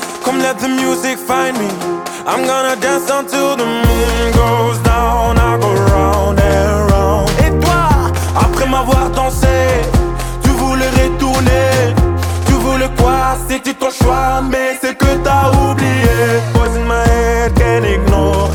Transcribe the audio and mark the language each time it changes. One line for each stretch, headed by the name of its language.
English: Come let the music find me. I'm gonna dance until the moon goes down. I go round and round.
French: Et toi, après m'avoir dansé, tu voulais retourner. Tu voulais quoi? C'était ton choix, mais c'est que t'as oublié.
English: Boys in my head, can't ignore.